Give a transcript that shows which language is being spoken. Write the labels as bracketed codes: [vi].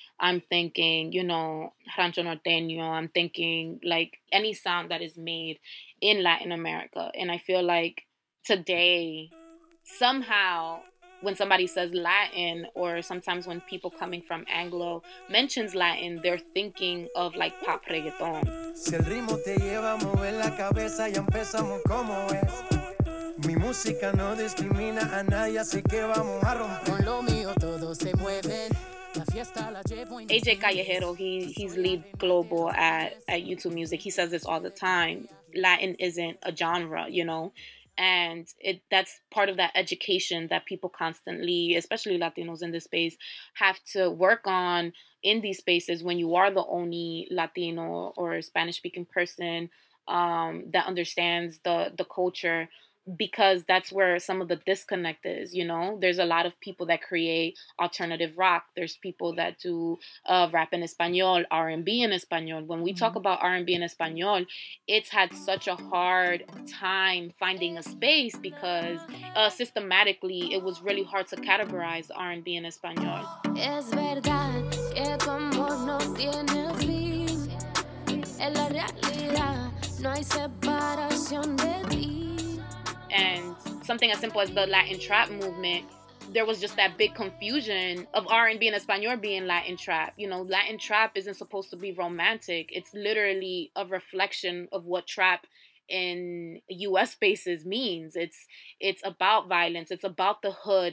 [en] I'm thinking, you know, rancho norteño. I'm thinking like any sound that is made in Latin America. And I feel like today, somehow, when somebody says Latin, or sometimes when people coming from Anglo mentions Latin, they're thinking of like pop reggaeton. [es] Si el ritmo te lleva a mover la cabeza y empezamos como es. Mi música no discrimina a nadie, así que vamos a romper. Con lo mío todo se mueve. [en] AJ Callejero, he's lead global at YouTube Music. He says this all the time. Latin isn't a genre, you know? And that's part of that education that people constantly, especially Latinos in this space, have to work on in these spaces when you are the only Latino or Spanish-speaking person that understands the culture. Because that's where some of the disconnect is, you know? There's a lot of people that create alternative rock. There's people that do rap in Espanol, R&B in Espanol. When we talk about R&B in Espanol, it's had such a hard time finding a space because systematically, it was really hard to categorize R&B in Espanol. [es] Es verdad que tu amor no tiene fin. En la realidad no hay separación de ti. [en] And something as simple as the Latin trap movement, there was just that big confusion of R&B and Espanol being Latin trap. You know, Latin trap isn't supposed to be romantic. It's literally a reflection of what trap in U.S. spaces means. It's about violence. It's about the hood.